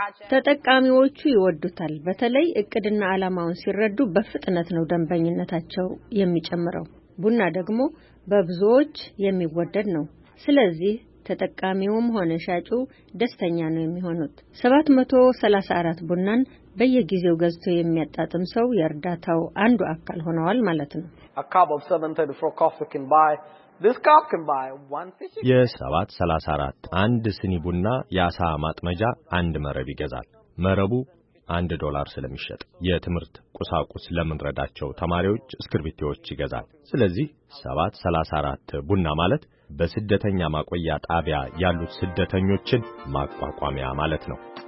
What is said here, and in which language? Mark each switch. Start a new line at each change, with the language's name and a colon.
Amharic: ተጠቃሚዎቹ ይወዱታል። በተለይ እቅድና ዓላማውን ሲረዱ በፍጥነት ነው ደንበኝነታቸው የሚጨምረው። ቡና ደግሞ በብዙዎች የሚወደድ ነው። ስለዚህ ተጠቃሚውም ሆነ ሻጩ ደስተኛ ነው የሚሆኑት። 734 ቡናን በየጊዜው ገዝቶ የሚያጣጥም ሰው የርዳታው አንዱ አካል ሆነዋል ማለት ነው።
English: A cup of 734 coffee can buy This cup can buy one fish.
Amharic: የ734 አንድ ስኒ ቡና ያሳ ማጥመጃ አንድ መረብ ይገዛል። መረቡ $1 ስለሚሸጥ የትምርት ቁሳቁስ ለምንረዳቸው ተማሪዎች እስክርቢቶዎች ይገዛል። ስለዚህ 734 ቡና ማለት በስደተኛ ማቆያ ጣቢያ ያሉት ስደተኞችን ማቋቋሚያ ማለት ነው።